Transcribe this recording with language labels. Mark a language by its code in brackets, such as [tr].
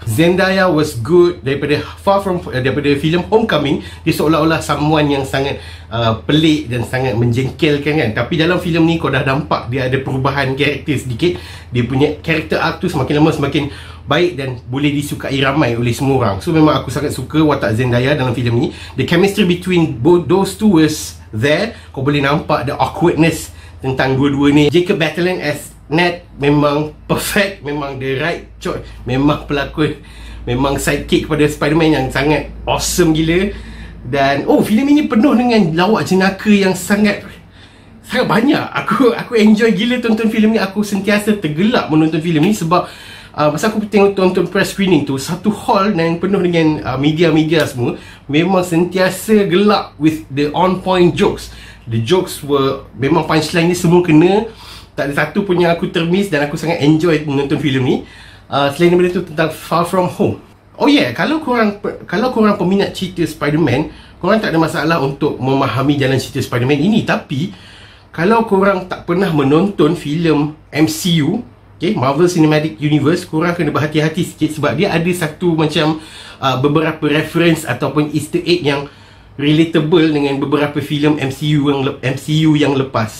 [en] Zendaya was good [ms] daripada daripada filem Homecoming. Dia seolah-olah someone yang sangat pelik dan sangat menjengkelkan kan. Tapi dalam filem ni kau dah nampak dia ada perubahan karakter sedikit. Dia punya karakter arc tu semakin lama semakin baik dan boleh disukai ramai oleh semua orang. So memang aku sangat suka watak Zendaya dalam filem ni. [en] The chemistry between both those two was there. [ms] Kau boleh nampak [en] the awkwardness [ms] tentang dua-dua ni. Jacob Batalon as Ned memang perfect, memang [en] the right choice, [ms] memang pelakon, memang sidekick kepada Spider-Man yang sangat awesome gila. Dan filem ini penuh dengan lawak jenaka yang sangat sangat banyak. Aku enjoy gila tonton filem ni. Aku sentiasa tergelak menonton filem ni sebab masa aku tengok tonton press screening tu, satu hall yang penuh dengan media-media semua memang sentiasa gelak [en] with the on point jokes. The jokes were [ms] memang punchline ni semua kena. Tak ada satu pun yang aku termiss dan aku sangat enjoy menonton filem ni. Selain daripada tu tentang Far From Home. [en] Oh yeah, [ms] kalau korang peminat cerita Spider-Man, korang tak ada masalah untuk memahami jalan cerita Spider-Man ini. Tapi kalau korang tak pernah menonton filem MCU, okay, Marvel Cinematic Universe, korang kena berhati-hati sikit sebab dia ada satu macam beberapa reference ataupun Easter egg yang relatable dengan beberapa filem MCU yang lepas.